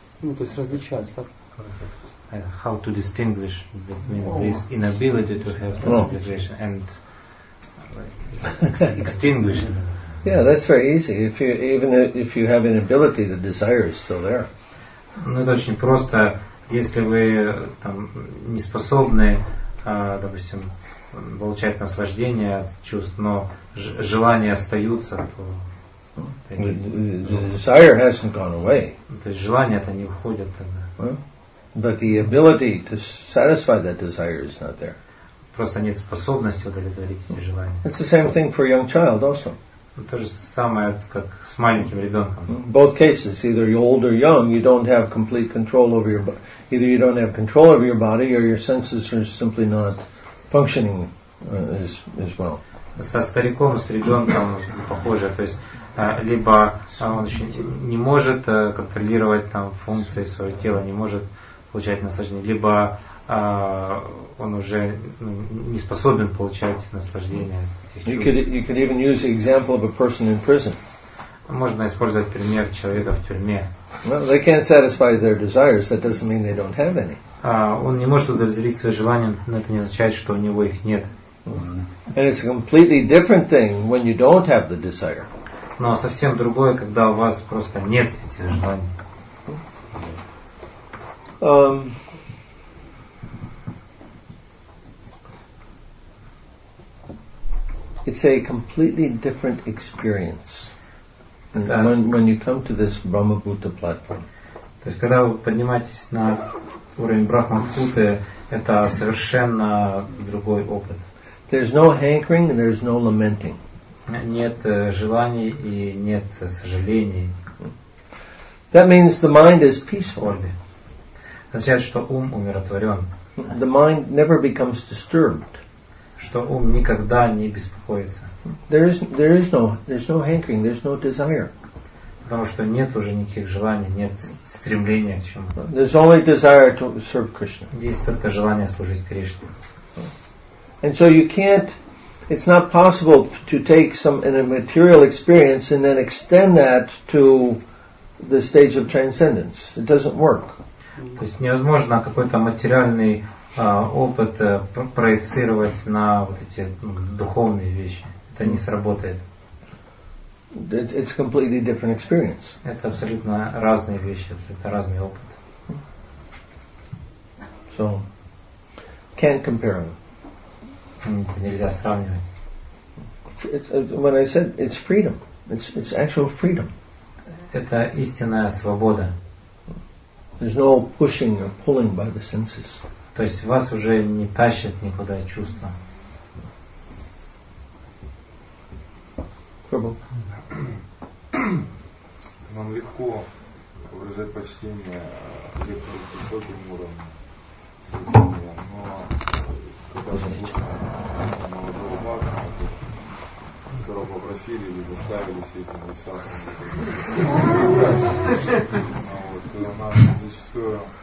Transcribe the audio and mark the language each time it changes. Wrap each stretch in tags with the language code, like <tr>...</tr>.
<en>How to distinguish between this inability to have sense gratification and extinguishing? Yeah, that's very easy. If you even if you have an ability, the desire is still there.</en> <ru>Ну, это очень просто. Если вы там не способны, допустим, получать наслаждение от чувств, но желания остаются, то</ru> <en>the desire hasn't gone away.</en> <ru>То есть желания-то не уходят.</ru> <en>But the ability to satisfy that desire is not there.</en> <ru>Просто нет способности удовлетворить эти желания.</ru> <en>It's the same thing for a young child also.</en> <ru>То же самое, как с маленьким ребенком.</ru> <en>Both cases, either you're old or young, you don't have complete control over your body. Either you don't have control over your body, or your senses are simply not functioning as well.</en> <ru>Со стариком, с ребенком похоже, то есть либо он еще не может контролировать там функции своего тела, не может получать наслаждение, либо он уже не способен получать наслаждение.</ru> <en>You could even use the example of a person in prison.</en> <ru>Можно использовать пример человека в тюрьме.</ru> <en>Well, they can't satisfy their desires. That doesn't mean they don't have any.</en> <ru>Он не может удовлетворить свои желания, но это не означает, что у него их нет.</ru> <en>And it's a completely different thing when you don't have the desire.</en> <ru>Но совсем другое, когда у вас просто нет этих желаний.</ru> <en>It's a completely different experience when you come to this Brahma Bhuta platform.</en> <ru>То есть когда вы поднимаетесь на уровень Брахман Бхуты, Это совершенно другой опыт.</ru> <en>There's no hankering and there's no lamenting.</en> <ru>Нет желаний и нет сожалений.</ru> <en>That means the mind is peaceful.</en> <ru>Означает, что ум умиротворен.</ru> <en>The mind never becomes disturbed.</en> <ru>Что ум никогда не беспокоится.</ru> <en>There's no hankering, there's no desire.</en> <ru>Потому что нет уже никаких желаний, нет стремления к чему-то.</ru> <en>There's only desire to serve Krishna.</en> <ru>Есть только желание служить Кришне.</ru> <en>And so you can't, it's not possible to take some in a material experience and then extend that to the stage of transcendence. It doesn't work.</en> <ru>То есть невозможно какой-то материальный опыт проецировать на вот эти духовные вещи. Это не сработает.</ru> <en>It's a completely different experience.</en> <ru>Это абсолютно разные вещи, это разный опыт.</ru> <en>So, can't compare them.</en> <ru>Нельзя сравнивать.</ru> <en>When I said it's freedom, it's actual freedom.</en> <ru>Это истинная свобода.</ru> <en>There's no pushing or pulling by the senses.</en> <ru>То есть вас уже не тащит никуда чувства. Нам легко выражать почтение лектору с высоким уровнем сознания, но когда слушаем молодого бага, которого попросили или заставили сесть на висасану, то у нас зачастую</ru>